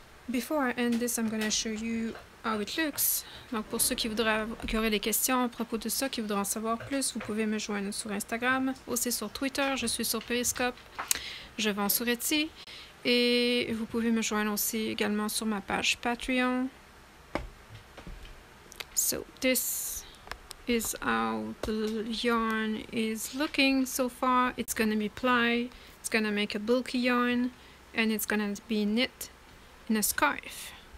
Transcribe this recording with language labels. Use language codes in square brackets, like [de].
[en] Before I end this, I'm gonna show you how it looks. [fr] Donc pour ceux qui auraient des questions à propos de ça, qui voudraient en savoir plus, vous pouvez me joindre sur Instagram, aussi sur Twitter, je suis sur Periscope, je vends sur Etsy, et vous pouvez me joindre aussi également sur ma page Patreon. [en] So, this is how the yarn is looking so far. It's gonna be ply, it's gonna make a bulky yarn, and it's gonna be knit in a scarf.